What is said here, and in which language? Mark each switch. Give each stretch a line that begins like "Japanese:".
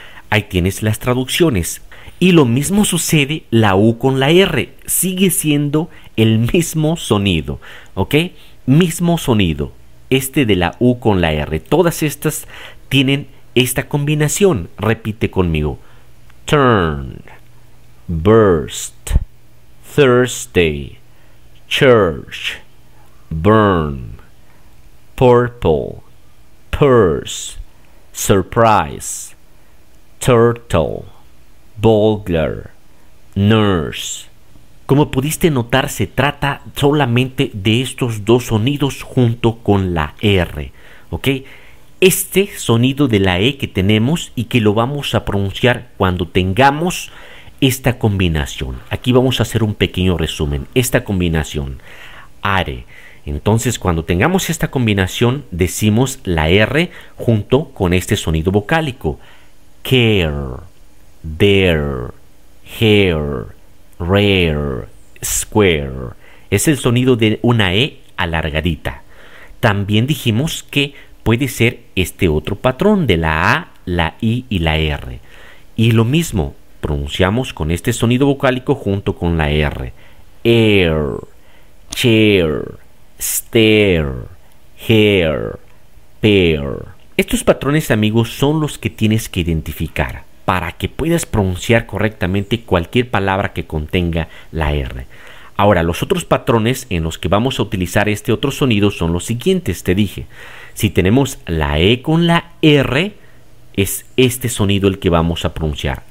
Spanish: Ahí tienes las traducciones. Y lo mismo sucede la U con la R. Sigue siendo el mismo sonido. ¿Ok? Mismo sonido. Este de la U con la R. Todas estas tienen esta combinación. Repite conmigo.
English: Turn, burst, Thursday, church, burn, purple, purse, surprise, turtle, burglar, nurse.
Spanish: Como pudiste notar, se trata solamente de estos dos sonidos junto con la R, ¿ok? Este sonido de la E que tenemos y que lo vamos a pronunciar cuando tengamos esta combinación. Aquí vamos a hacer un pequeño resumen. Esta combinación, are. Entonces, cuando tengamos esta combinación, decimos la R junto con este sonido vocálico.
English: Care, there, hair, rare, square.
Spanish: Es el sonido de una E alargadita. También dijimos que puede ser este otro patrón de la A, la I y la R. Y lo mismo, pronunciamos con este sonido vocálico junto con la R.
English: Air, chair, stare, hair, pear.
Spanish: Estos patrones, amigos, son los que tienes que identificar para que puedas pronunciar correctamente cualquier palabra que contenga la R. Ahora, los otros patrones en los que vamos a utilizar este otro sonido son los siguientes, te dije. Si tenemos la E con la R, es este sonido el que vamos a pronunciar.